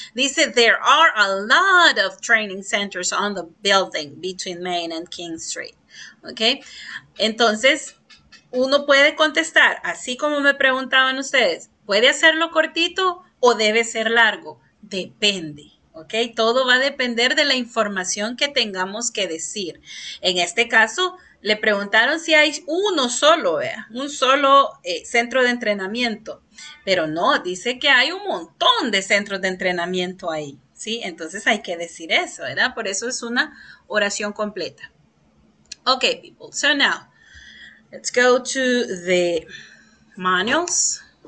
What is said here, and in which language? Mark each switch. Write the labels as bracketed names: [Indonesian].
[Spanish] Dice, [English] there are a lot of training centers on the building between Main and King Street. [Spanish] ¿Ok? Entonces, uno puede contestar, así como me preguntaban ustedes, ¿puede hacerlo cortito o debe ser largo? Depende. ¿Ok? Todo va a depender de la información que tengamos que decir. En este caso, le preguntaron si hay uno solo, ¿vea? Un solo centro de entrenamiento. Pero no, dice que hay un montón de centros de entrenamiento ahí, ¿sí? Entonces hay que decir eso, ¿verdad? Por eso es una oración completa. [English] Okay, people, so now, let's go to the manuals.